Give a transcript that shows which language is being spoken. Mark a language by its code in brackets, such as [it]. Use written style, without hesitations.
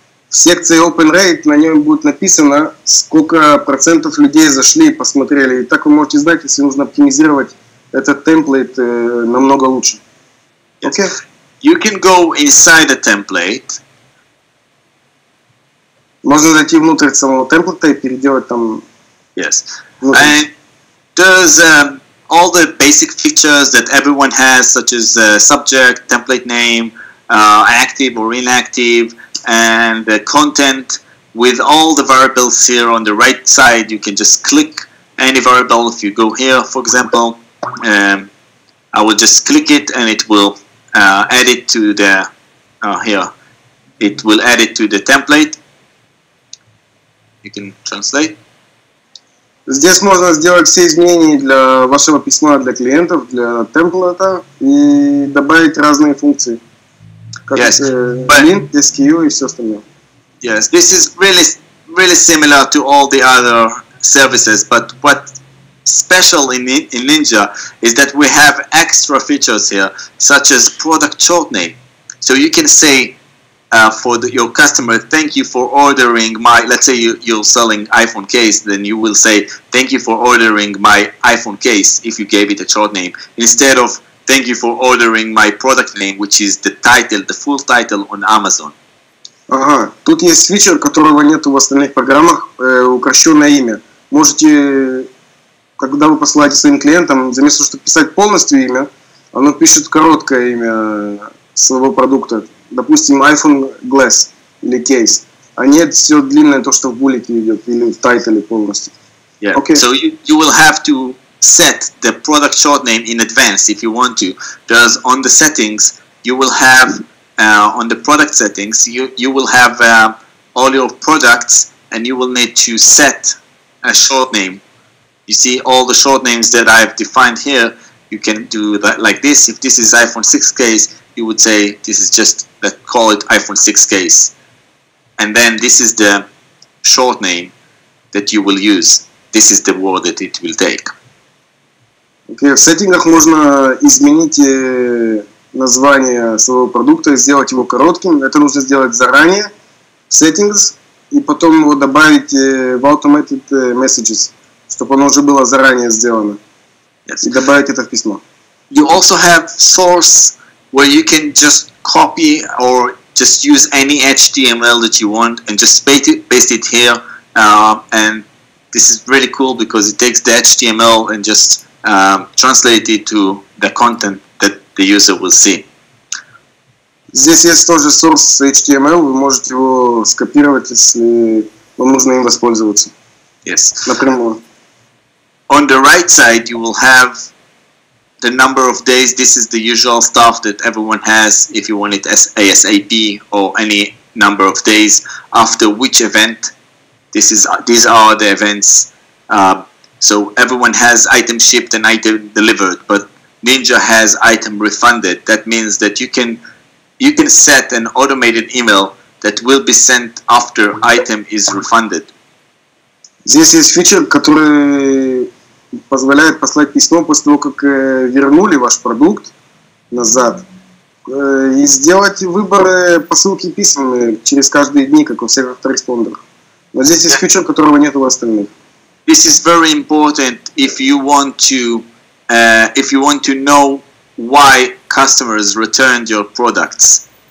[ru] В секции Open Rate на нем будет написано, сколько процентов людей зашли и посмотрели. И так вы можете знать, если нужно оптимизировать этот темплейт намного лучше. [en] Okay. You can go inside the template. [ru] Можно зайти внутрь самого темплейта и переделать там. [en] Yes. [ru] Внутрь. [en] And there's all the basic features that everyone has, such as subject, template name, active or inactive. And the content with all the variables here on the right side, you can just click any variable. If you go here, for example, I will just click it and it will add it to the here. It will add it to the template. you can translate. [ru] Здесь можно сделать все изменения для вашего письма для клиентов, для темплата и добавить разные функции. Mint, SQL и все остальное. [en] Yes, this is really, really similar to all the other services, but what special in Ninja is that we have extra features here, such as product short name. So you can say for the, your customer, thank you for ordering my, let's say you're selling iPhone case, then you will say, thank you for ordering my iPhone case, if you gave it a short name, instead of thank you for ordering my product name, which is the title, the full title on Amazon. [ru] Ага, тут есть фичер, которого нет в остальных программах, укращённое имя. Можете, когда вы посылаете своим клиентам, вместо того, чтобы писать полностью имя, оно пишет короткое имя своего продукта. Допустим, iPhone Glass или Case. А нет, все длинное, то, что в буллете идет, или в тайтле полностью. [en] Yeah, okay. So you will have to set the product short name in advance if you want to, because on the settings, you will have... on the product settings, you will have all your products, and you will need to set a short name. You see all the short names that I've defined here. You can do that like this. If this is iPhone 6 case, you would say this is just call it iPhone 6 case, and then this is the short name that you will use. This is the word that it will take. [ru] Okay, в сеттингах можно изменить название своего продукта, сделать его коротким. Это нужно сделать заранее в settings и потом его добавить в [en] automated messages, [ru] чтобы оно уже было заранее сделано. [en] Yes. [ru] И добавить это в письмо. [en] You also have source where you can just copy or just use any HTML that you want and just paste it here. And this is really cool because it takes the HTML and just translate it to the content the user will see. [ru] Здесь есть тоже source HTML, вы можете его скопировать, если вам нужно им воспользоваться. [en] Yes. [ru] Напрямую. [en] On the right side, you will have the number of days. This is the usual stuff that everyone has if you want it as ASAP or any number of days after which event. This is these are the events. So everyone has item shipped and item delivered, but Ninja has item refunded. That means that you can set an automated email that will be sent after item is refunded. [ru] Здесь есть фичер, который позволяет послать письмо после того, как вернули ваш продукт назад, и сделать выбор посылки писем через каждые дни, как у всех автореспондеров. Но здесь есть фичер, которого нет у остальных. [en] This is very important if you want to if you want to know why customers returned your products.